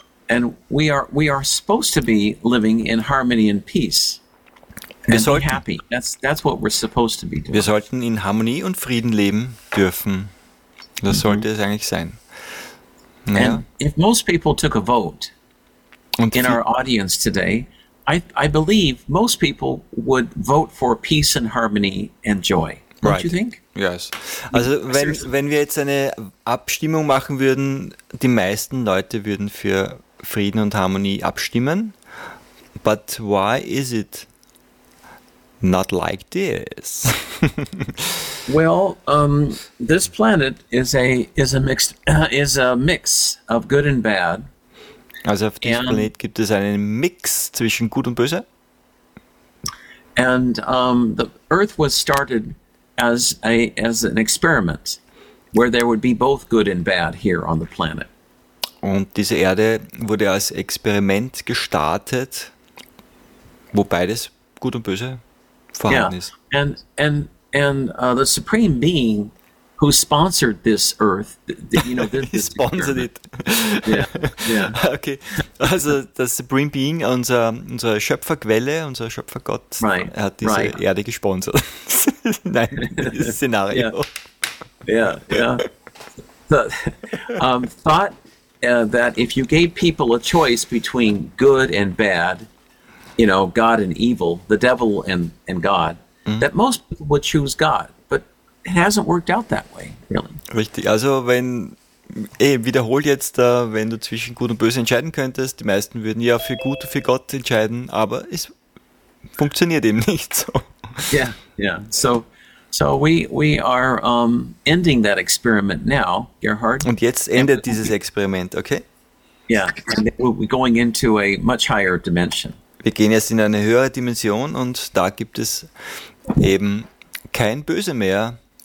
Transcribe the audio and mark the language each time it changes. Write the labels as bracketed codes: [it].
[en] And we are supposed to be living in harmony and peace. [de] Wir sollten, [en] happy. That's what we're supposed to be doing. [de] Wir sollten in Harmonie und Frieden leben dürfen. Das sollte es eigentlich sein. Naja. [en] And if most people took a vote in our audience today, I believe most people would vote for peace and harmony and joy. Don't you think? Yes. [de] Also wenn wir jetzt eine Abstimmung machen würden, die meisten Leute würden für Frieden und Harmonie abstimmen. [en] But why is it not like this? Well, this planet is a mix of good and bad. [de] Also auf diesem Planet gibt es einen Mix zwischen gut und böse. [en] And the Earth was started as a as an experiment, where there would be both good and bad here on the planet. [de] Und diese Erde wurde als Experiment gestartet, wo beides gut und böse vorhanden ist. [en] And the Supreme Being who sponsored this Earth, you know, this sponsored it. Yeah. [de] Okay. Also the Supreme Being, unsere Schöpferquelle, unser Schöpfergott, [en] right. [de] hat diese [en] right. [de] Erde gesponsert. Nein, dieses Szenario. [en] Yeah. Thought that if you gave people a choice between good and bad, you know, God and evil, the devil and God, mm-hmm. that most people would choose God. It hasn't worked out that way, really. [de] Richtig. Also wenn, wiederholt jetzt, wenn du zwischen Gut und Böse entscheiden könntest, die meisten würden ja für Gut, für Gott entscheiden, aber es funktioniert eben nicht so. [en] Yeah. So we are ending that experiment now, Gerhard. [de] Und jetzt endet dieses Experiment, okay? [en] Yeah, and we're going into a much higher dimension. [de] Wir gehen jetzt in eine höhere Dimension und da gibt es eben kein Böse mehr.